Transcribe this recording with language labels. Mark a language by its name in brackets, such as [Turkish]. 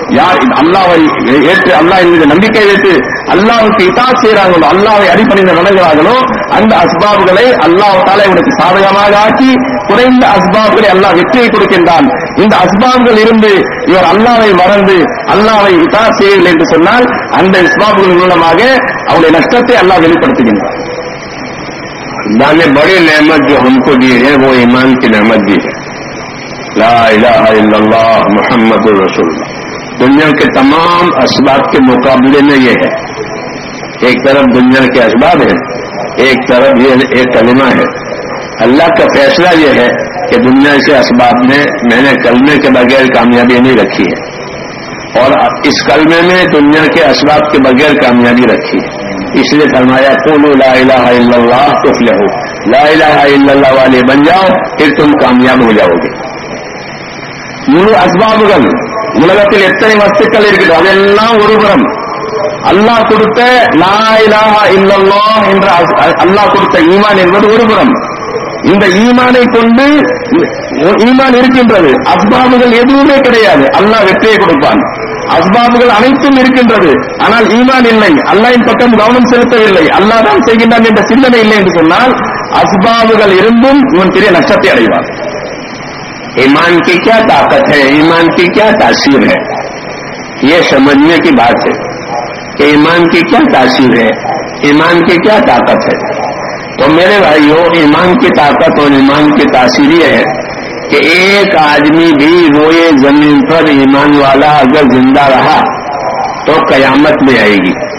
[Tamil] யார் அல்லாவை ஏற்று அல்லாஹ் மீது நம்பிக்கை வைத்து அல்லாவுக்கு இதா செய்கிறார்களோ, அல்லாவை அடிப்படையில் நடங்குகிறார்களோ, அந்த அஸ்பாப்களை அல்லாஹாலே இவனுக்கு சாதகமாக ஆக்கி குறைந்த அஸ்பாப்களை அல்லாஹ் வெற்றியை கொடுக்கின்றான். இந்த அஸ்பாப்கள் இருந்து இவர் அல்லாவை மறந்து அல்லாவை இதா செய்யவில்லை என்று சொன்னால் அந்த அஸ்பாப்கள் மூலமாக அவருடைய நஷ்டத்தை அல்லாஹ் வெளிப்படுத்துகின்றான். [Urdu] اللہ نے بڑی نعمت جو ہم کو دی ہے وہ ایمان کی نعمت دی ہے. [Arabic] لا الہ الا اللہ محمد رسول اللہ. [Urdu] دنیا کے تمام اسباب کے مقابلے میں یہ ہے. ایک طرف دنیا کے اسباب ہیں, ایک طرف یہ ایک کلمہ ہے. اللہ کا فیصلہ یہ ہے کہ دنیا سے اسباب نے میں نے کلمے کے بغیر کامیابی نہیں رکھی ہے, اور اس کلمے میں دنیا کے اسباب کے بغیر کامیابی رکھی ہے. اس لیے فرمایا [Arabic] قولوا لا الہ الا اللہ تفلحوا, [Urdu] لا الہ الا اللہ والے بن جاؤ پھر تم کامیاب ہو جاؤ گے. یوں اسباب [Tamil] உலகத்தில் எத்தனை வஸ்துக்கள் இருக்கிறது அதெல்லாம் ஒருபுறம் அல்லாஹ் கொடுத்த லா இலாஹா இல்லல்லாஹ் என்ற அல்லாஹ் கொடுத்த ஈமான் என்பது ஒருபுறம். இந்த ஈமானை கொண்டு ஈமான் இருக்கின்றது. அஸ்பாபுகள் எதுவுமே கிடையாது, அல்லாஹ் வெற்றியை கொடுப்பான். அஸ்பாபுகள் அனைத்தும் இருக்கின்றது, ஆனால் ஈமான் இல்லை, அல்லாஹின் பக்கம் கவனம் செலுத்தவில்லை, அல்லாஹ் தான் செய்கின்றான் என்ற சிந்தனை இல்லை என்று சொன்னால் அஸ்பாபுகள் இருந்தும் இவன் பெரிய நஷ்டத்தை அடைவான். [Urdu] ایمان کی کیا طاقت ہے, ایمان کی کیا تاثیر ہے, یہ سمجھنے کی بات ہے کہ ایمان کی کیا تاثیر ہے, ایمان کی کیا طاقت ہے. تو میرے بھائیو ایمان کی طاقت اور ایمان کی تاثیر یہ ہے کہ ایک آدمی بھی روئے زمین پر ایمان والا اگر زندہ رہا تو قیامت میں آئے گی.